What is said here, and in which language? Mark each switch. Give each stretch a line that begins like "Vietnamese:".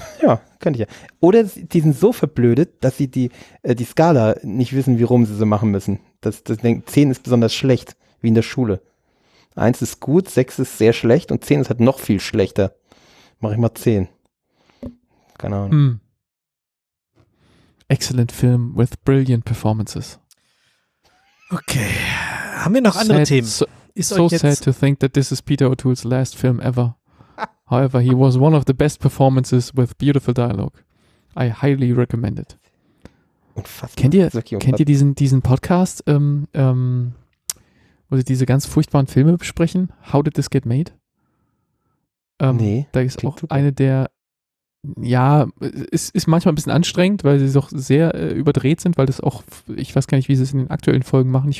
German: Ja, könnte ich ja. Oder die sind so verblödet, dass sie die Skala nicht wissen, wie rum sie so machen müssen. Das denkt, 10 ist besonders schlecht, wie in der Schule. 1 ist gut, 6 ist sehr schlecht und 10 ist halt noch viel schlechter. Mach ich mal 10. Keine Ahnung. Mm.
English: Excellent film with brilliant performances.
German: Okay. Haben wir noch andere Themen?
English: Sad to think that this is Peter O'Toole's last film ever. However, he was one of the best performances with beautiful dialogue. I highly recommend it.
German: Unfassbar. Kennt ihr diesen Podcast, wo sie diese ganz furchtbaren Filme besprechen?
English: How Did This Get Made?
German: Nee. Da ist auch eine der, ja, ist manchmal ein bisschen anstrengend, weil sie doch sehr überdreht sind, weil das auch, ich weiß gar nicht, wie sie es in den aktuellen Folgen machen.